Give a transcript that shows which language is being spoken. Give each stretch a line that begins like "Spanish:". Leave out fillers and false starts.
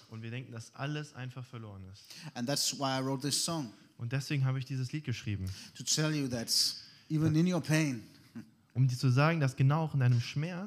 German: Und wir denken, dass alles einfach verloren ist.
English: And that's why I wrote this song.
German: Und deswegen habe ich dieses Lied geschrieben.
English: To tell you that even in your pain,
German: um dir zu sagen, dass genau auch in deinem Schmerz,